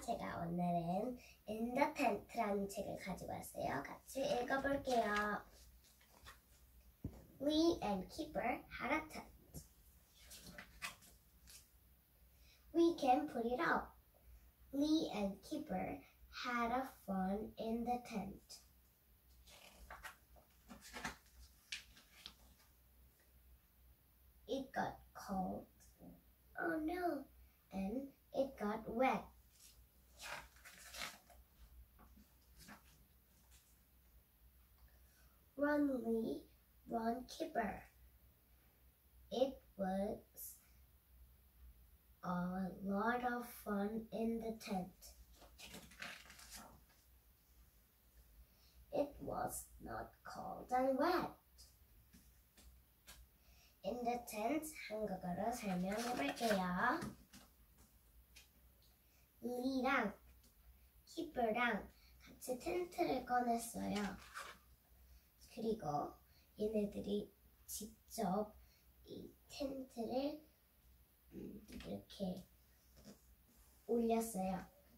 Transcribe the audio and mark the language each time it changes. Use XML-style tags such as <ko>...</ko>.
<ko>제가 오늘은 In the Tent라는 책을 가지고 왔어요. 같이 읽어볼게요.</ko> <en>Lee and Keeper had a tent. We can put it up. Lee and Keeper had a fun in the tent. It got cold. Oh no. And it got wet. Run, Lee, run, Keeper. It was a lot of fun in the tent. It was not cold and wet.</en> <ko>In the tent, 한국어로 설명해볼게요. 리랑 키퍼랑 같이 텐트를 꺼냈어요. 그리고 얘네들이 직접 이 텐트를 이렇게 올렸어요.</ko>